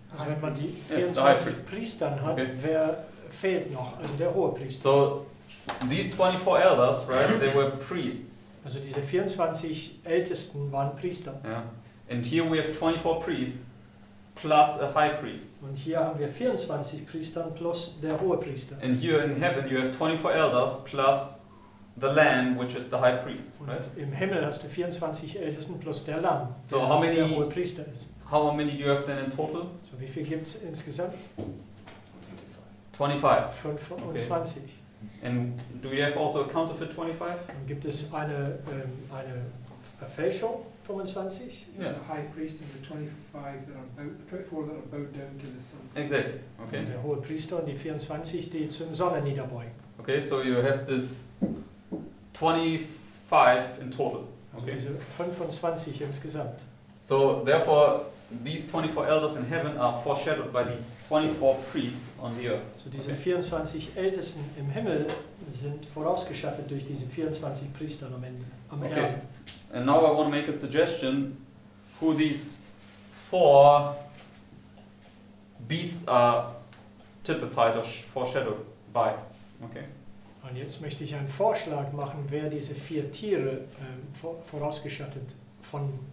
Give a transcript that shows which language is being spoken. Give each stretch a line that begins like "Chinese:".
German: Also wenn man die 24 Priestern hat, okay. Wer fehlt noch? Also der hohe Priester.
English: So, these 24 elders, right, they were priests.
German: Also diese 24 Ältesten waren Priester.
English: Yeah. And here we have 24 priests plus a high priest.
German: Und hier haben wir 24 Priestern plus der hohe Priester.
English: And here in heaven you have 24 elders plus the Lamb, which is the high priest.
German: Und
English: right?
German: Im Himmel hast du 24 Ältesten plus der Lamb, so der,
English: how many,
German: der hohe Priester ist.
English: How many do you have then in total?
German: So wie viel gibt's insgesamt? 25.
English: 25. Okay. And do you have also a counterfeit 25? Und gibt es eine Fälschung 25? Yes. The high priest and the 25 that are bowed, 24 that are bowed down to the sun. Exactly. Okay.
German: Und der hohe Priester und die 24, die zum Sonne niederbeugen.
English: Okay, so you have this 25 in total. Okay.
German: Also diese 25 insgesamt.
English: So therefore these 24 elders in heaven are foreshadowed by these 24 priests on the earth.
German: So diese 24 Ältesten im Himmel sind vorausgeschattet durch diese 24 Priester am Ende, am Erden. Okay.
English: And now I want to make a suggestion who these four beasts are typified or foreshadowed by. Okay.
German: Und jetzt möchte ich einen Vorschlag machen, wer diese vier Tiere vorausgeschattet von